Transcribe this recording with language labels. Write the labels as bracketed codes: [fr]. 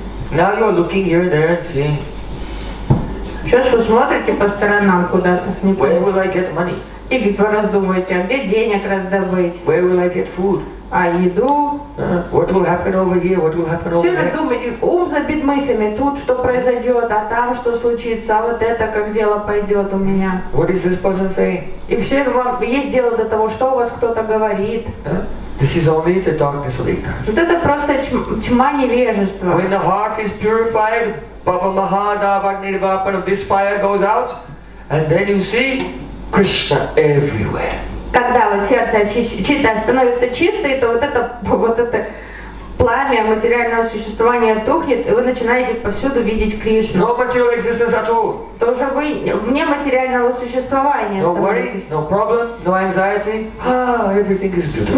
[en] Now you are looking here and there and seeing. [ru] Сейчас вы смотрите по сторонам куда-то. [en] Where will I get money? [ru] И вы пораздумываете, а где денег раздобыть? [en] Where will I get food? [ru] А еду? [en] What will happen over here? What will happen over there? [ru] Все думаете, ум забит мыслями. Тут что произойдет, а там что случится, а вот это как дело пойдет у меня. [en] What is this person saying? [ru] И все вам есть дело до того, что у вас кто-то говорит. [en] This is only the darkness of ignorance. [ru] Вот это просто тьма невежества. [en] When the heart is purified, [sa] Baba Mahadavagnirvapanam, [en] this fire goes out, and then you see Krishna everywhere. [ru] Когда вот сердце чистое становится чистым, то вот это пламя материального существования тухнет, и вы начинаете повсюду видеть Кришну. [en] No material existence at all. [ru] То уже вы вне материального существования. [en] No worry, no problem, no anxiety. Everything is beautiful.